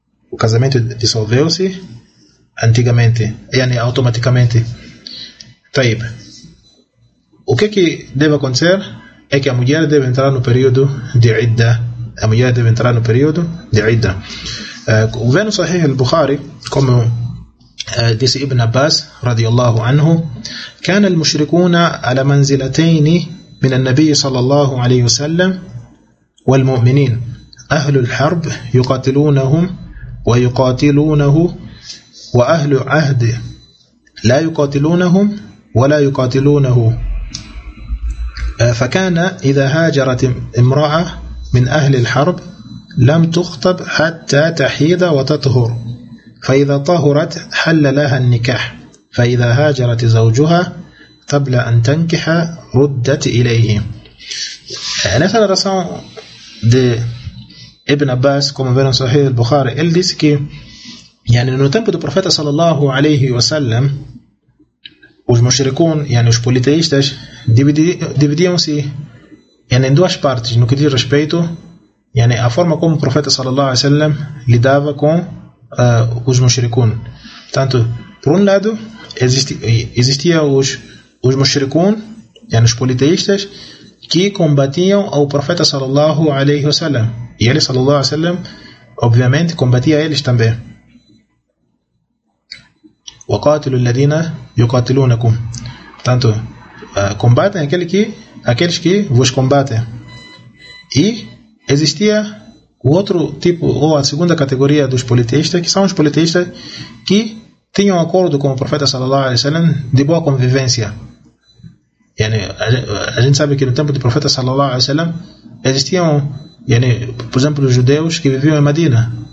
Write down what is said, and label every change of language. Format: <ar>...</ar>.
<pt>O casamento dissolveu-se antigamente, automaticamente. O que deve acontecer é que a mulher deve entrar no período de idda. A mulher deve entrar no período de idda. Vendo o Sahih al-Bukhari, como disse Ibn Abbas radiyallahu anhu:</pt> <ar>كان المشركون على منزلتين من النبي صلى الله عليه وسلم والمؤمنين أهل الحرب يقاتلونهم ويقاتلونه وأهل عهد لا يقاتلونهم ولا يقاتلونه فكان إذا هاجرت امرأة من أهل الحرب لم تخطب حتى تحيض وتطهر فإذا طهرت حل لها النكاح فإذا هاجرت زوجها قبل أن تنكح ردت إليه. نفس الرسول</ar> <pt>de Ibn Abbas, como vemos no Sahih al-Bukhari, ele disse que no tempo do profeta sallallahu alaihi wasallam, os mushrikun, os politeístas, dividiam-se em duas partes no que diz respeito à forma como o profeta sallallahu alaihi wasallam lidava com os mushrikun. Tanto, por um lado, existiam os mushrikun, os politeístas, que combatiam ao profeta sallallahu alaihi wasallam. E ele sallallahu alaihi wasallam obviamente combatia eles também.</pt> <ar>وقاتلوا الذين يقاتلونكم.</ar> <pt>Tanto combatem aqueles que vos combatem. E existia o outro tipo, ou a segunda categoria dos politeístas, que são os politeístas que tinham acordo com o profeta sallallahu alaihi wasallam de boa convivência. Yani, a gente sabe que no tempo do profeta sallallahu alaihi wasallam existiam, yani, por exemplo, os judeus que viviam em Medina.</pt>